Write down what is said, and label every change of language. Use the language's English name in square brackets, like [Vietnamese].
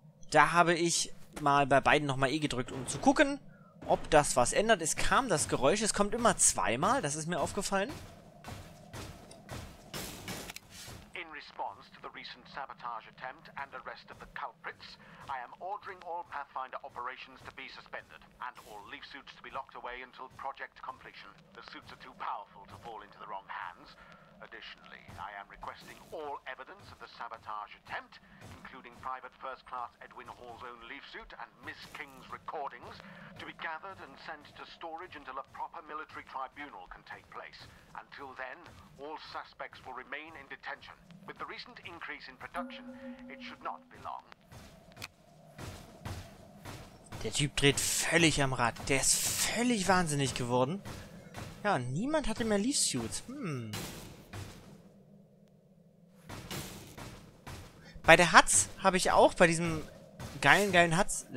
[German] Da habe ich mal bei beiden nochmal E gedrückt, um zu gucken, ob das was ändert. Es kam das Geräusch, es kommt immer zweimal, das ist mir aufgefallen. [English] In response to the recent sabotage attempt and arrest of the culprits, I am ordering all Pathfinder operations to be suspended and all leaf suits to be locked away until project completion. The suits are too powerful to fall into the wrong hands. Additionally, I am requesting all evidence of the sabotage attempt, including Private First Class Edwin Hall's own leaf suit and Miss King's recordings, to be gathered and sent to storage until a proper military tribunal can take place. Until then, all suspects will remain in detention. With the recent increase in production, it should not be long. [German] Der Typ dreht völlig am Rad. Der ist völlig wahnsinnig geworden. Ja, niemand hatte mehr leaf suits. Bei der Hatz habe ich auch, bei diesem geilen Hatz...